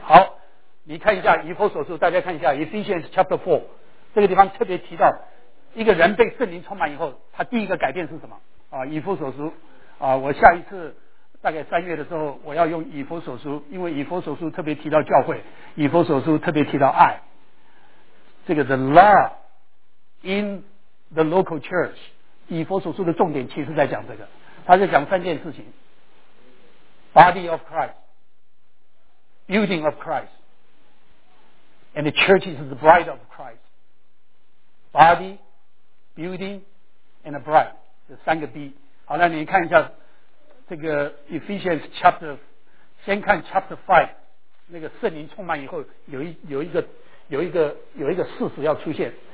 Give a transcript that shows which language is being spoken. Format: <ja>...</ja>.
<zh>好，你看一下以弗所书，大家看一下 Ephesians Chapter 4，这个地方特别提到，一个人被圣灵充满以后，他第一个改变是什么？啊，以弗所书啊，我下一次大概三月的时候，我要用以弗所书，因为以弗所书特别提到教会，以弗所书特别提到爱。这个</zh> <en>the love in the local church，</en> <zh>以弗所书的重点其实在讲这个，他在讲三件事情 ：</zh> <en>body of Christ， building of Christ，</en> <zh>and the church is the bride of Christ。</zh> <en>Body, building, and a bride，</en> <zh>这三个 B。好，那你看一下这个 Ephesians chapter， 先看 chapter 5， 那个圣灵充满以后有一个事实要出现。</zh>